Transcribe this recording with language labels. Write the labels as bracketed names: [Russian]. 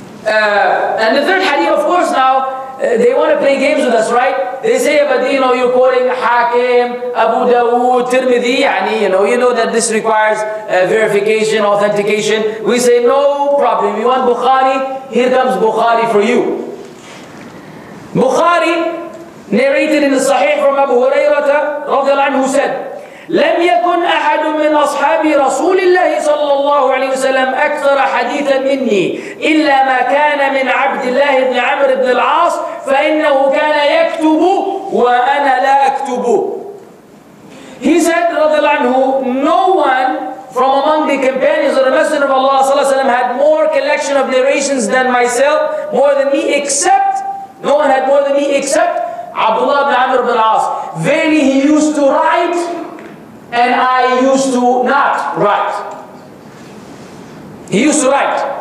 [English] The third hadith, of course, now, they want to play games with us, right? They say, but you know, you're quoting Hakim, Abu Dawood, Tirmidhi, yani, you know that this requires verification, authentication. We say, no problem. You want Bukhari? Here comes Bukhari for you. Bukhari, narrated in the Sahih from Abu Hurairah, radiallahu anhu, said, [Arabic] لم يكن أحد من أصحاب رسول الله صلى الله عليه وسلم أكثر حديثا مني إلا ما كان من عبد الله بن عمرو بن العاص فإنه كان يكتب وأنا لا أكتب. [English] He said رضي الله عنه, no one from among the companions of the Messenger of Allah صلى الله عليه وسلم had more collection of narrations than myself, more than me except, no one had more than me except Abdullah بن عمرو بن العاص. Verily he used to write and I used to not write. He used to write.